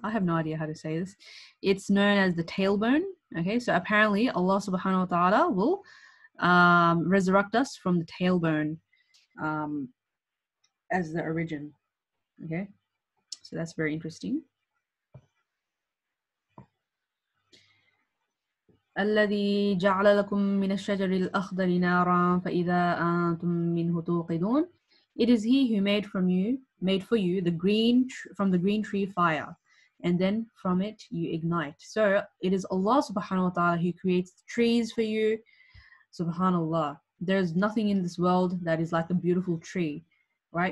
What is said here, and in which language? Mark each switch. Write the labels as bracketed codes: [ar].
[en] I have no idea how to say this. It's known as the tailbone. Okay, so apparently Allah subhanahu wa ta'ala will resurrect us from the tailbone as the origin. Okay, so that's very interesting. [ar] الذي جعل لكم من الشجر الأخضر نارا فإذا أنتم منه توقدون. [en] It is he who made for you the green from the green tree fire, and then from it you ignite. So it is Allah subhanahu wa ta'ala who creates the trees for you. Subhanallah. There is nothing in this world that is like a beautiful tree, right?